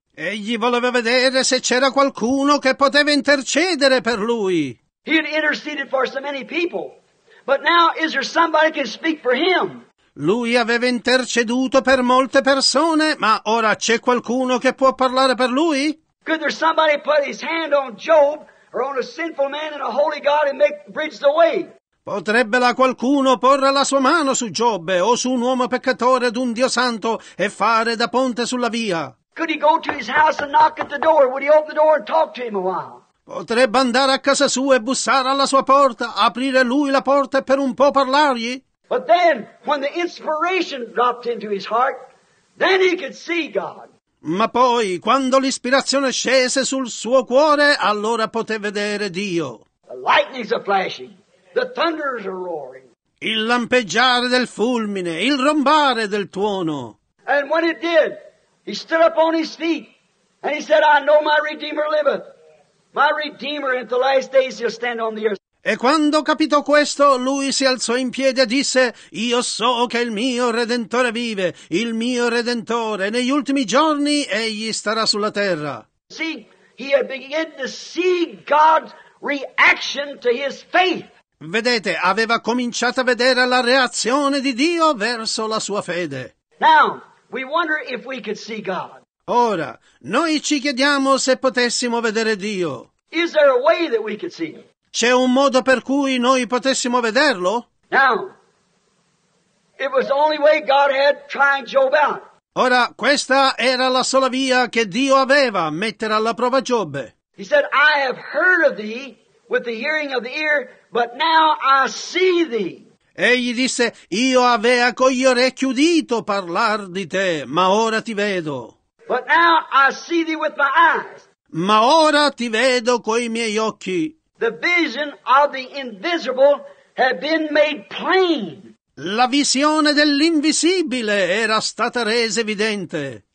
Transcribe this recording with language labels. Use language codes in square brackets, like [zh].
[it] Egli voleva vedere se c'era qualcuno che poteva intercedere per lui. [en] He had interceded for so many people, but now is there somebody who can speak for him? [it] Lui aveva interceduto per molte persone, ma ora c'è qualcuno che può parlare per lui? [en] Could there somebody put his hand on Job or on a sinful man and a holy God and make bridge the way? [it] Potrebbe la qualcuno porre la sua mano su Giobbe o su un uomo peccatore ed un Dio santo e fare da ponte sulla via? [en] Could he go to his house and knock at the door? Would he open the door and talk to him a while? [it] Potrebbe andare a casa sua e bussare alla sua porta, aprire lui la porta e per un po' parlargli? [en] But then, when the inspiration dropped into his heart, then he could see God. [it] Ma poi, quando l'ispirazione scese sul suo cuore, allora poté vedere Dio. [en] The lightnings are flashing, the thunders are roaring. [it] Il lampeggiare del fulmine, il rombare del tuono. [en] And when it did, he stood up on his feet, and he said, I know my Redeemer liveth. My Redeemer in the last days he'll stand on the earth. [it] E quando capitò questo, lui si alzò in piedi e disse, Io so che il mio Redentore vive, il mio Redentore, negli ultimi giorni egli starà sulla terra. [en] See, he had begun to see God's reaction to his faith. [it] Vedete, aveva cominciato a vedere la reazione di Dio verso la sua fede. [en] Now, we wonder if we could see God. [it] Ora, noi ci chiediamo se potessimo vedere Dio. [en] Is there a way that we could see him? [it] C'è un modo per cui noi potessimo vederlo? [en] Now, it was the only way God had trying Job out. [it] Ora, questa era la sola via che Dio aveva, mettere alla prova Giobbe. [en] He said, I have heard of thee with the hearing of the ear, but now I see thee. [it] Egli disse, io avea con gli orecchi udito parlar di te, ma ora ti vedo. [en] But now I see thee with my eyes. [it] Ma ora ti vedo coi miei occhi. [en] The vision of the invisible had been made plain. [it] La visione dell'invisibile era stata resa evidente.